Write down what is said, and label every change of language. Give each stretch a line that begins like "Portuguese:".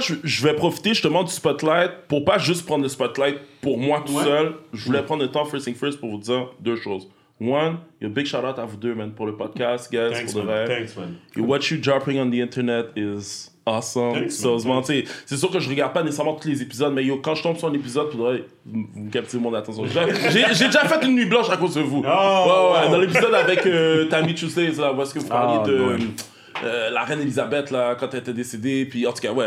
French: Je vais profiter, justement, du spotlight pour pas juste prendre le spotlight pour moi tout seul. Je voulais prendre le temps,
English: first thing first,
French: pour vous dire deux choses.
English: One, a big shout out
French: à vous deux, man, pour le podcast, guys.
English: Thanks,
French: pour
English: man. thanks, man. What you dropping on the internet is awesome.
French: Sérieusement, tu sais, c'est sûr que je regarde pas nécessairement tous les épisodes, mais yo, quand je tombe sur un épisode, vous captez mon attention. J'ai déjà fait une nuit blanche à cause de vous. Oh, ouais, ouais, wow. Dans l'épisode avec Tammy Tuesdays, là, où est-ce que vous parliez de. La reine Elisabeth, là, quand elle était décédée, puis en tout cas, ouais.